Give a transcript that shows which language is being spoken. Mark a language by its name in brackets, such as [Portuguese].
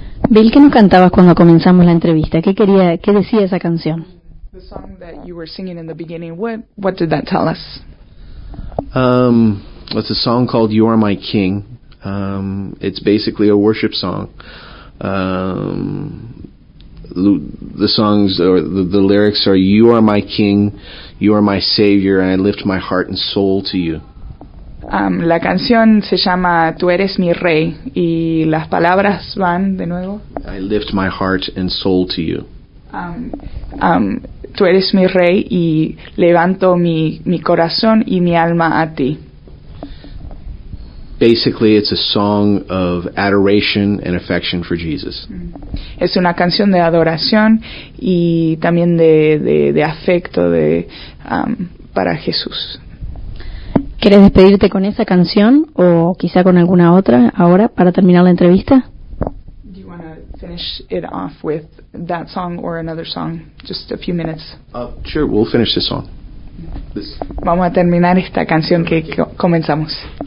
[Spanish] Bill, ¿qué nos cantabas cuando comenzamos la entrevista? ¿Qué decía esa canción? [English] The song that you were singing in the beginning, what did that tell us? It's a song called You Are My King. It's basically a worship song. The songs or the lyrics are You are my King, You are my Savior, and I lift my heart and soul to you. [Spanish] La canción se llama Tú eres mi rey y las palabras van de nuevo. [English] I lift my heart and soul to you. [Spanish] Tú eres mi rey y levanto mi corazón y mi alma a ti. [English] Basically, it's a song of adoration and affection for Jesus. [Spanish] Es una canción de adoración y también de afecto para Jesús. ¿Quieres despedirte con esa canción o quizá con alguna otra ahora para terminar la entrevista? [English] Do you want to finish it off with that song or another song? Just a few minutes. Sure, we'll finish this song. [Spanish] Vamos a terminar esta canción que comenzamos.